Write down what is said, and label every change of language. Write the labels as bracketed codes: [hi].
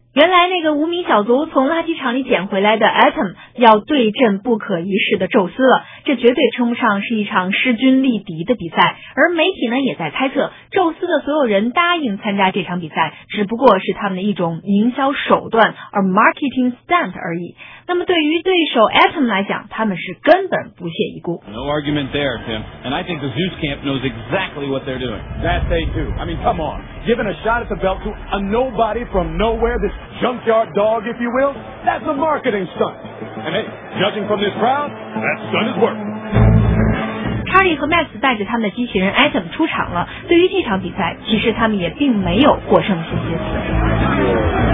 [zh] 原来那个无名小卒从垃圾场里捡回来的 Atom 要对阵不可一世的宙斯了，这绝对称不上是一场势均力敌的比赛。而媒体呢也在猜测，宙斯的所有人答应参加这场比赛只不过是他们的一种营销手段，而 marketing stunt 而已。那么对于对手 Atom 来讲，他们是根本不屑一顾。 [en] No argument there, Tim. And I think the Zeus camp knows exactly what they're doing. That they do. I mean, come on. Giving a shot at the belt to a nobody from nowhere, this junkyard dog, if you will, that's a marketing stunt. And hey, judging from this crowd, that stunt is working. [zh] Charlie 和 Max 带着他们的机器人 Atom 出场了。对于这场比赛，其实他们也并没有获胜信心。